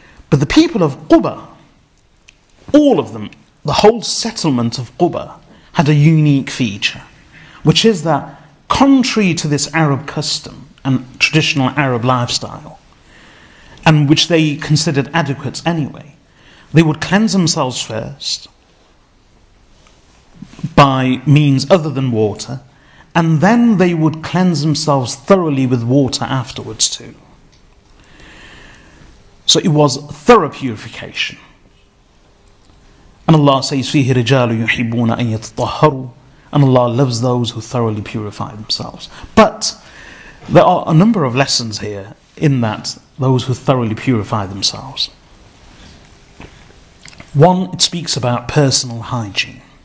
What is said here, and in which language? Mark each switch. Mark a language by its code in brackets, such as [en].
[en] But the people of Quba, all of them, the whole settlement of Quba, had a unique feature, which is that contrary to this Arab custom and traditional Arab lifestyle, and which they considered adequate anyway, they would cleanse themselves first by means other than water, and then they would cleanse themselves thoroughly with water afterwards too. So it was thorough purification. And Allah says, [ar] فِيهِ رِجَالٌ يُحِبُّونَ أَن يَتَطَهَّرُوا. [en] And Allah loves those who thoroughly purify themselves. But there are a number of lessons here in that those who thoroughly purify themselves. One, it speaks about personal hygiene.